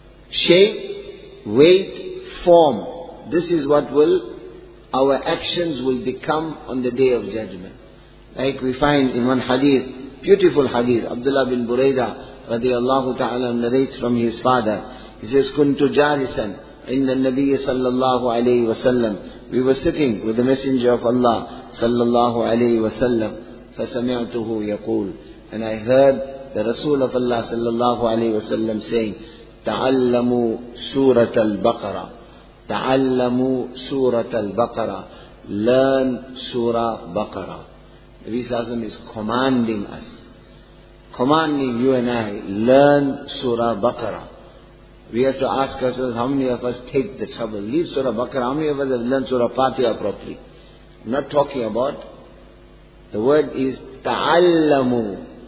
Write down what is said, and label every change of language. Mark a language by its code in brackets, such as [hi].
[en] Shape, weight, form. This is what will, our actions will become on the Day of Judgment. Like we find in one hadith, beautiful hadith, Abdullah bin Burayda, radiallahu ta'ala, narrates from his father. He says, [ar] كُنْتُ جَارِسًا عِنَّ النَّبِيِّ صَلَّى اللَّهُ عَلَيْهِ وَسَلَّمْ [en] We were sitting with the Messenger of Allah, [ar] صلى الله عليه وسلم, فَسَمِعْتُهُ يَقُولُ [en] And I heard the Rasul of Allah, [ar] صلى الله عليه وسلم, [en] saying, [ar] تَعَلَّمُوا سُورَةَ الْبَقَرَةِ تَعَلَّمُوا سُورَةَ الْبَقَرَةِ [en] Learn Surah Baqarah. Nabi [ar] صلى الله عليه وسلم [en] is commanding us, commanding you and I, learn Surah Baqarah. We have to ask ourselves, how many of us take the trouble? Leave Surah Baqarah, how many of us have learned Surah Fatiha properly? I'm not talking about. The word is ta'allamu.